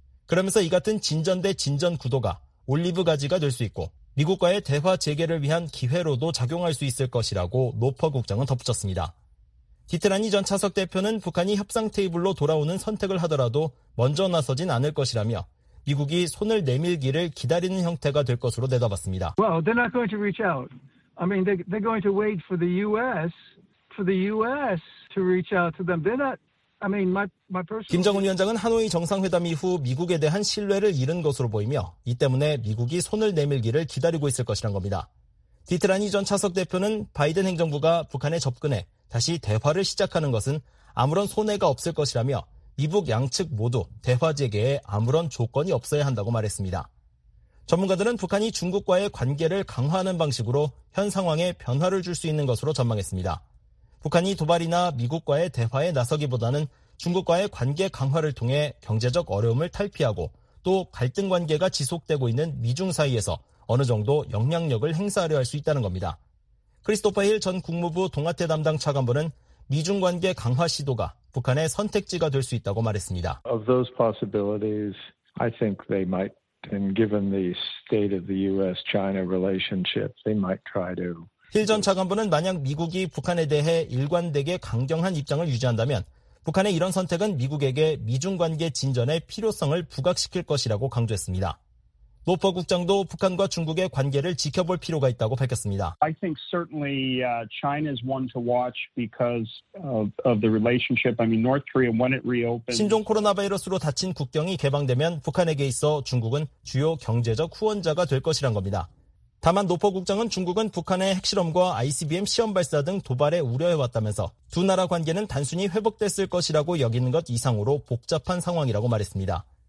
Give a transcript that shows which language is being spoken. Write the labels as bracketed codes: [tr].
[ko] 그러면서 이 같은 진전 대 진전 구도가 올리브 가지가 될 수 있고 미국과의 대화 재개를 위한 기회로도 작용할 수 있을 것이라고 노퍼 국장은 덧붙였습니다. 디트라니 전 차석 대표는 북한이 협상 테이블로 돌아오는 선택을 하더라도 먼저 나서진 않을 것이라며 미국이 손을 내밀기를 기다리는 형태가 될 것으로 내다봤습니다. [en] Well, they're not going to reach out. I mean, they're going to wait for the U.S. for the U.S. to reach out to them. They're not. I mean, my personal. [ko] 김정은 위원장은 하노이 정상회담 이후 미국에 대한 신뢰를 잃은 것으로 보이며 이 때문에 미국이 손을 내밀기를 기다리고 있을 것이란 겁니다. 디트라니 전 차석 대표는 바이든 행정부가 북한에 접근해 다시 대화를 시작하는 것은 아무런 손해가 없을 것이라며 미북 양측 모두 대화 재개에 아무런 조건이 없어야 한다고 말했습니다. 전문가들은 북한이 중국과의 관계를 강화하는 방식으로 현 상황에 변화를 줄 수 있는 것으로 전망했습니다. 북한이 도발이나 미국과의 대화에 나서기보다는 중국과의 관계 강화를 통해 경제적 어려움을 탈피하고 또 갈등 관계가 지속되고 있는 미중 사이에서 어느 정도 영향력을 행사하려 할 수 있다는 겁니다. 크리스토퍼 힐 전 국무부 동아태 담당 차관보는 미중 관계 강화 시도가 북한의 선택지가 될 수 있다고 말했습니다. [en] Of those possibilities, I think they might, and given the state of the U.S.-China relationship, they might try to. [ko] 힐 전 차관보는 만약 미국이 북한에 대해 일관되게 강경한 입장을 유지한다면 북한의 이런 선택은 미국에게 미중 관계 진전의 필요성을 부각시킬 것이라고 강조했습니다. 노퍼 국장도 북한과 중국의 관계를 지켜볼 필요가 있다고 밝혔습니다. [en] I think certainly China is one to watch because of the relationship. I mean North Korea when it reopens. [ko] 신종 코로나 바이러스로 닫힌 국경이 개방되면 북한에게 있어 중국은 주요 경제적 후원자가 될 것이란 겁니다. 다만 노퍼 국장은 중국은 북한의 핵실험과 ICBM 시험 발사 등 도발에 우려해왔다면서 두 나라 관계는 단순히 회복됐을 것이라고 여기는 것 이상으로 복잡한 상황이라고 말했습니다.